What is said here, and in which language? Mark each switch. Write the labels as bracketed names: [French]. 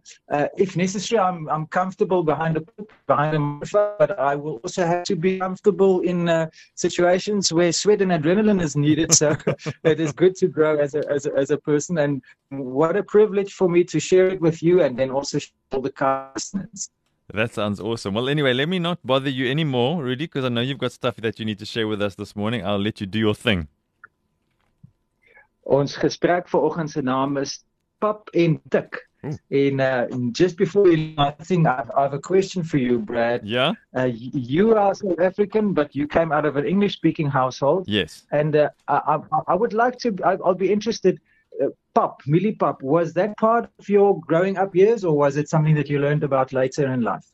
[English] I'm comfortable behind a microphone, but I will also have to be comfortable in situations where sweat and adrenaline is needed. So it is good to grow as a person, and what a privilege for me to share it with you, and then also share all the customers. That sounds awesome. Well, anyway, let me not bother you anymore, Rudy, because I know you've got stuff that you need to share with us this morning. I'll let you do your thing. [Afrikaans] Ons gesprek vir oggend se naam is Pap en Tik. [English] En just before you know, I think I have a question for you, Brad. Yeah. You are South African, but you came out of an English speaking household. Yes. And I'd be interested. Pap, Milipap, was that part of your growing up years or was it something that you learned about later in life?